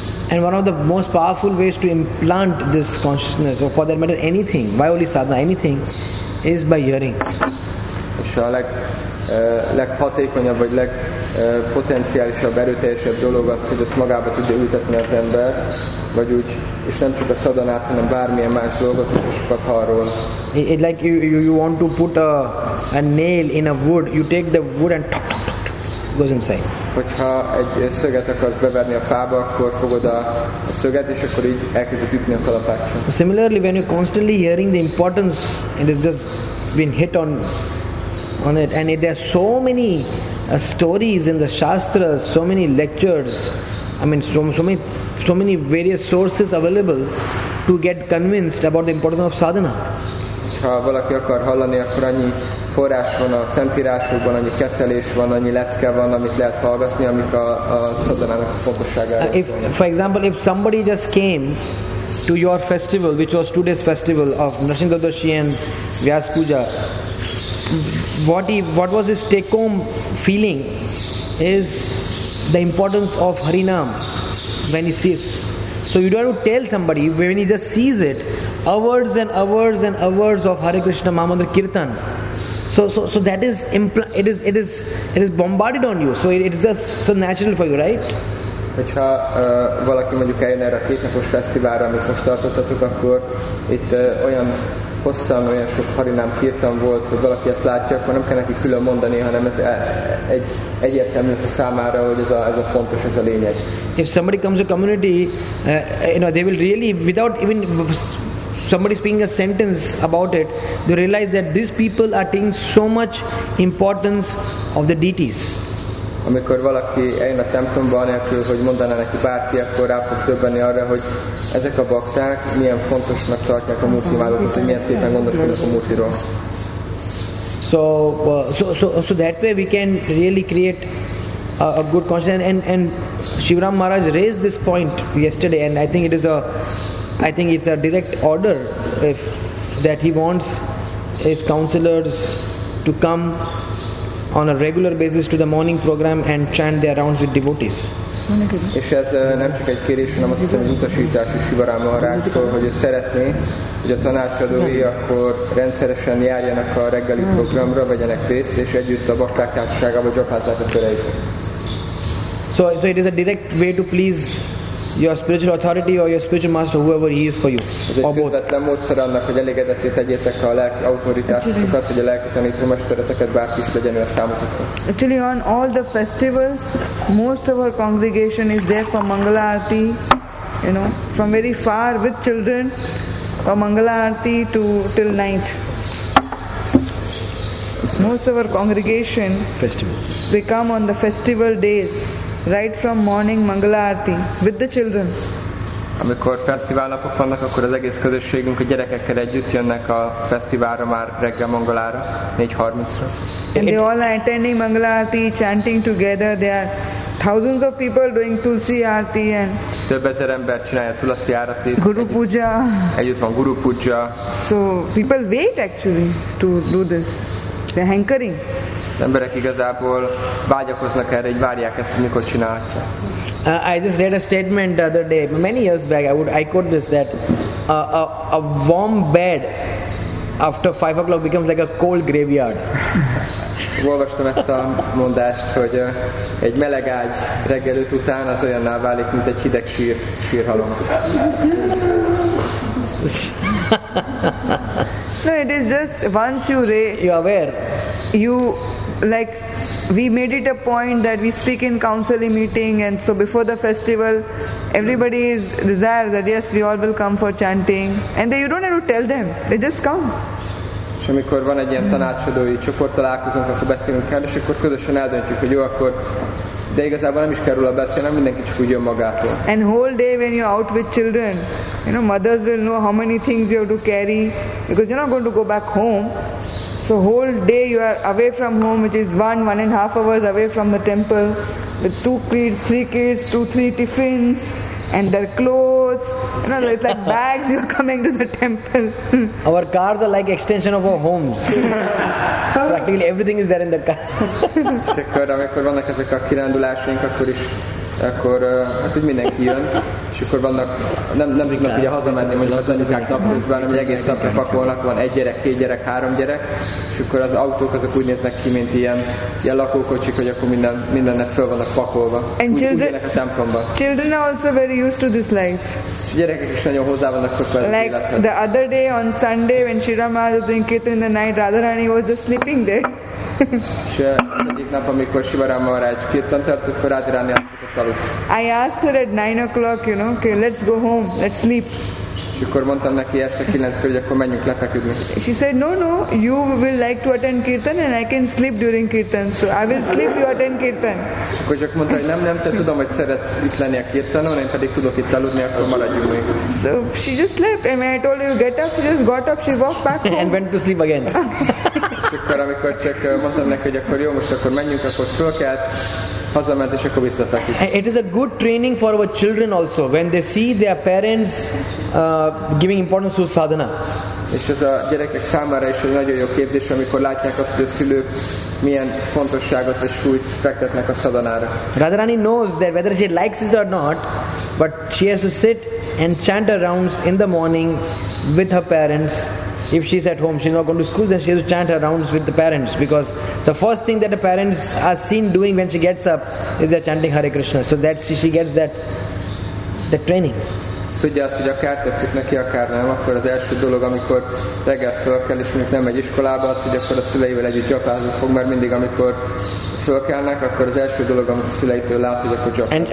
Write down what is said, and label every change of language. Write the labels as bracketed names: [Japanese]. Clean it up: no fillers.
[English] And one of the most powerful ways to implant this consciousness, or for that matter anything, by only sadhana, anything, is by hearing. [Hungarian] És a leghatékonyabb, vagy legpotenciálisabb, erőteljesebb dolog az, hogy ezt magába tudja ültetni az ember, vagy úgy, és nem csak a sadhanát, hanem bármilyen más dolgot, hogy sokat hallról. [English] It like you want to put a nail in a wood, you take the wood and tuk, tuk, tuk, goes inside. [Hungarian] Hogyha egy szöget akarsz beverni a fába, akkor fogod a szöget, és akkor így elkezded ütni a kalapáccsal. [English] Similarly, when you're constantly hearing the importance, it has just been hit on it, and there are so many stories in the Shastras, so many lectures, I mean so many various sources available to get convinced about the importance of sadhana. [Hungarian] Ha valaki akar hallani, akkor annyi forrás van a szentírásokban, annyi kettelés van, annyi lecke van, amit lehet hallgatni, amik a szadhanának a fontosságáról szólnak. [English] For example, if somebody just came to your festival, which was today's festival of Narasingha Doshi and Vyas Puja, what was his take-home feeling is the importance of Harinam when he sees. So you don't have to tell somebody, when he just sees it, hours and hours and hours of Hare Krishna Mahamantra Kirtan. So that is it is bombarded on you. So it is just so natural for you, right? [Hungarian] Hogyha valaki mondjuk eljön erre a kétnapos fesztiválra, amit most tartottatok, akkor itt olyan hosszan, olyan sok harinám kirtan volt, hogy valaki ezt látja, akkor nem kell neki külön mondani, hanem ez egy egyértelmű lesz a számára, hogy ez a fontos, ez a lényeg. [English] If somebody comes to a community, they will really, without even somebody speaking a sentence about it, they realize that these people are taking so much importance of the deities. [Hungarian] Amikor valaki eljön a templomba, anélkül, hogy mondaná neki bárki, akkor rá fog döbbenni arra, hogy ezek a bakták milyen fontosnak tartják a múrtiválókat, hogy milyen szépen gondoskodnak a múrtiról. [English] So that way we can really create a good consciousness. And Shivaram Maharaj raised this point yesterday, and I think it's a direct order that he wants his counselors to come on a regular basis to the morning program and chant their rounds with devotees. [Hungarian] És ez nem csak egy kérés, hanem azt hiszem, hogy utasítás is Sivaram Maharajtól, hogy ő szeretné, hogy a tanácsadói akkor rendszeresen járjanak a reggeli programra, vegyenek részt, és együtt a bakták társaságába gyapázzák a köreiket. [English] So it is a direct way to please your spiritual authority or your spiritual master, whoever he is for you. Actually, on all the festivals, most of our congregation is there for Mangala Aarti, you know, from very far with children, from Mangala Aarti to till night. Most of our congregation festivals, we come on the festival days, right from morning Mangala Aarti with the children. [Hungarian] Amikor fesztivál napok vannak, akkor az egész közösségünk a gyerekekkel együtt jönnek a fesztiválra már reggel Mangalára, 4:30-ra. [English] And they all are attending Mangala Aarti, chanting together. There are thousands of people doing Tulsi Aarti and [Hungarian] több ezer ember csinálja Tulsi Aarti. [English] Guru Puja. [Hungarian] Együtt van Guru Puja. [English] So people wait actually to do this. They're hankering. [Hungarian] Emberek igazából vágyakoznak erre, hogy várják ezt, mikor csinálják. [English] I just read a statement the other day, many years back. I quote this, that a warm bed after 5 o'clock becomes like a cold graveyard. [Hungarian] Olvastam ezt a mondást, hogy egy meleg ágy reggel 5 után az olyanná válik, mint egy hideg sír, sírhalom. [English] No, it is just once you're aware, you like, we made it a point that we speak in counseling meeting, and so before the festival, everybody is desires that yes, we all will come for chanting, and then you don't have to tell them, they just come. És amikor van egy ilyen tanácsadói csoport találkozunk, akkor beszélünk el, és akkor közösen eldöntjük, hogy jó, akkor, de igazából nem is kell róla beszélni, mindenki csak úgy jön magától. And whole day when you're out with children, you know, mothers will know how many things you have to carry, because you're not going to go back home. So whole day you are away from home, which is 1-1.5 hours away from the temple, with 2 kids, 3 kids, 2-3 tiffins, and their clothes, you know, it's like bags, you're coming to the temple. Our cars are like extension of our homes. Practically everything is there in the car. [Hungarian] És akkor, amikor vannak ezek a kirándulásaink, akkor is, akkor hát úgy mindenki jön, és akkor vannak, nem tudnak ugye hazamenni, mondjuk az anyukák napközben, hanem egész napra pakolnak, van 1 gyerek, 2 gyerek, 3 gyerek, és akkor az autók azok úgy néznek ki, mint ilyen lakókocsik, hogy akkor mindennek föl vannak pakolva. [English] And [Hungarian] úgy jönnek a templomba. [English] Children are also very used to this life. [Hungarian] És a gyerekek is nagyon hozzá vannak szokva az élethez. [English] Like the other day on Sunday, when Shirama was doing Kirtan in the night, Radharani was just sleeping there. [Hungarian] És egyik nap, amikor Shivarama Maharaj Kirtan tart, akkor Radharani azt szokott aludni. [English] I asked her at 9 o'clock, you know, okay, let's go home, let's sleep. [Hungarian] És akkor mondtam neki este 9-kor, hogy akkor menjünk lefeküdni. [English] She said, no, you will like to attend Kirtan and I can sleep during Kirtan. So I will sleep, you attend Kirtan. [Hungarian] Akkor csak mondta, hogy nem, te tudom, hogy szeretsz itt lenni a Kirtanon, én pedig tudok itt aludni, akkor maradjunk még. [English] So she just slept. And I told you, get up, she just got up, she walked back home. And went to sleep again. [Hungarian] És akkor amikor csak mondtam neki, hogy akkor jó, most akkor menjünk, akkor fölkelt, hazament, és akkor visszafeküdt. [English] It is a good training for our children also, when they see their parents giving importance to sadhana. [Hungarian] És ez a gyerekek számára is egy nagyon jó képzés, amikor látják azt, hogy a szülők milyen fontosságot és súlyt fektetnek a szadanára. [English] Radharani knows that whether she likes it or not, but she has to sit and chant her rounds in the morning with her parents. If she is at home, she is not going to school, then she has to chant her rounds with the parents, because the first thing that the parents are seen doing when she gets up is they are chanting Hare Krishna. So that she gets that training. [Hungarian] Tudja azt, hogy akár tetszik neki, akár nem, akkor az első dolog, amikor reggel föl kell, és mondjuk nem megy iskolába, az, hogy akkor a szüleivel együtt japázni fog, mert mindig, amikor föl kellnek, akkor az első dolog, amit a szüleitől lát, hogy akkor japázni.